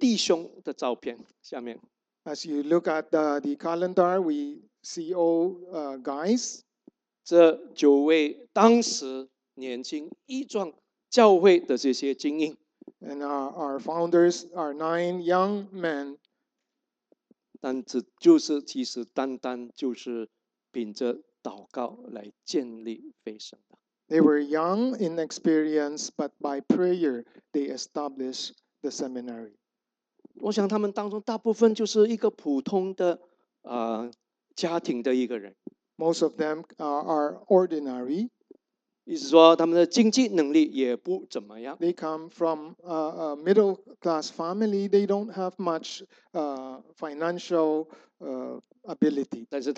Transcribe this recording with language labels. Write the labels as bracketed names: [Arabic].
[Chinese] 我们每个人都有这个日历，请你看这一张，都是弟兄的照片。下面， [English] as you look at the calendar, we see all guys. [Chinese] 这9位当时年轻一壮。教会的这些精英， [English] and our founders are 9 young men. [Chinese] 但这就是其实单单就是凭着祷告来建立飞升的。 [English] They were young in experience, but by prayer they established the seminary. [Chinese] 我想他们当中大部分就是一个普通的家庭的一个人。 [English] Most of them are ordinary. [Chinese] 意思说，他们的经济能力也不怎么样。 [English] They come from a middle class family. They don't have much financial ability.